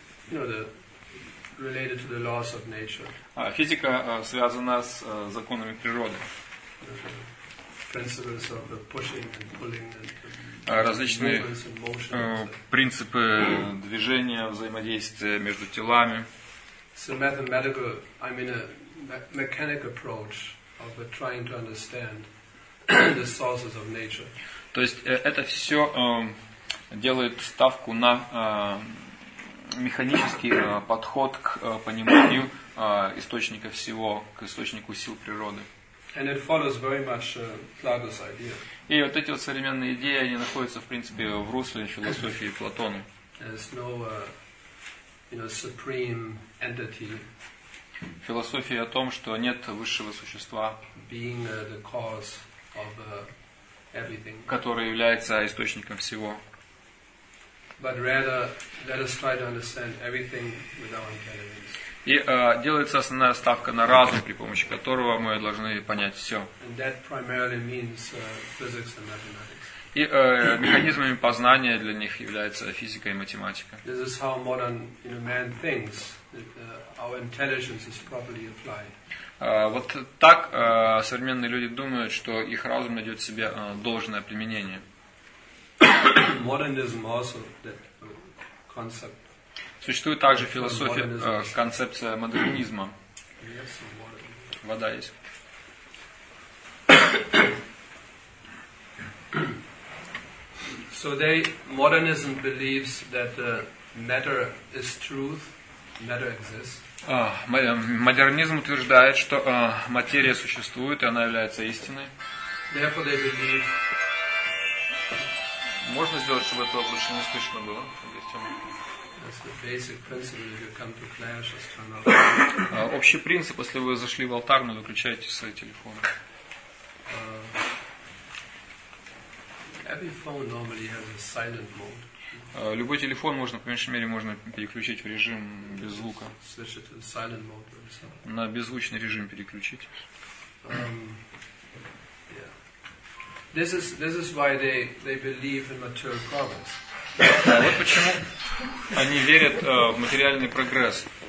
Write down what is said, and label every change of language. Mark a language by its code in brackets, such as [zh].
[en] You know, the related to the laws of nature. [ru] Физика связана с законами природы. [en] Principles of the pushing and pulling and [ru] различные принципы движения, взаимодействия между телами. [en] So mathematical, I mean a mechanic approach of trying to understand the sources of nature. [ru] То есть это все делает ставку на механический подход к пониманию источника всего, к источнику сил природы. [en] And it follows very much Plato's idea. [ru] И вот эти вот современные идеи, они находятся в принципе в русле философии Платона. [en] There's no, you know, supreme entity. [ru] Философия о том, что нет высшего существа. [en] Being the cause of everything. [ru] Который является источником всего. [en] But rather, let us try to understand everything with our intelligence. [ru] И делается основная ставка на разум, при помощи которого мы должны понять все. [en] And that primarily means, physics and mathematics. [ru] И механизмами познания для них является физика и математика. [en] This is how modern, you know, man thinks. Our intelligence is properly applied. [ru] Вот так современные люди думают, что их разум найдет себе должное применение. [en] Modernism also, that concept. [ru] Существует также философия, концепция модернизма. [en] Yes, modernism. [ru] Вода есть. [en] So they, modernism believes that matter is truth, matter exists. [ru] Модернизм утверждает, что материя существует, и она является истиной. [en] Therefore they believe... [ru] Можно сделать, чтобы это лучше не слышно было? [en] That's the basic principle if you come to clash or turn off. [ru] Общий принцип, если вы зашли в алтарь, но выключаете свои телефоны. [en] Every phone normally has a silent mode. [ru] Любой телефон можно, по меньшей мере, можно переключить в режим без звука. [en] Switch it to the silent mode. [ru] На беззвучный режим переключить. [en] This is why they believe in material progress. [ru] Вот почему они верят в материальный прогресс.